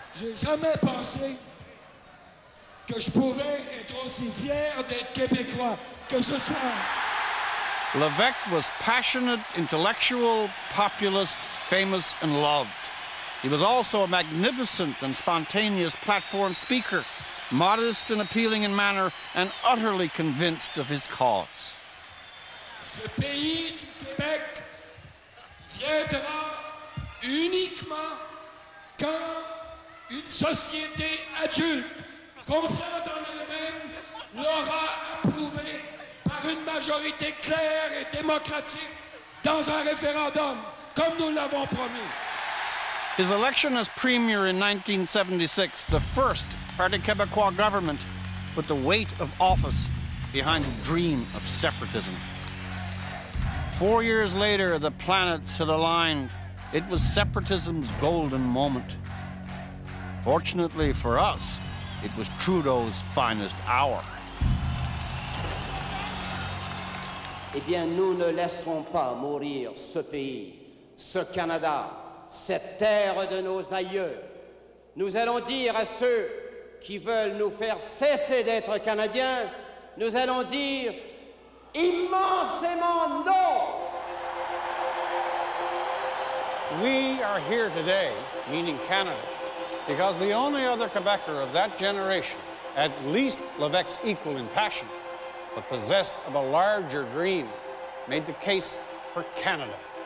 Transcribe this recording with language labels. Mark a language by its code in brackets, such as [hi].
[fr] J'ai jamais pensé que je pouvais être aussi fier d'être Québécois que ce soir. [en] Lévesque was passionate, intellectual, populist, famous, and loved. He was also a magnificent and spontaneous platform speaker, modest and appealing in manner, and utterly convinced of his cause. [fr] Ce pays du Québec viendra uniquement quand une société adulte, confiante en elle-même, l'aura approuvé par une majorité claire et démocratique dans un référendum, comme nous l'avons promis. [en] His election as premier in 1976, the first Parti Québécois government, put the weight of office behind the dream of separatism. 4 years later, the planets had aligned. It was separatism's golden moment. Fortunately for us, it was Trudeau's finest hour. [fr] Eh bien, nous ne laisserons pas mourir ce pays, ce Canada, cette terre de nos aïeux. Nous allons dire à ceux qui veulent nous faire cesser d'être Canadiens, nous allons dire immensément non. [en] We are here today, meaning Canada, because the only other Quebecer of that generation, at least Levesque's equal in passion, but possessed of a larger dream, made the case for Canada.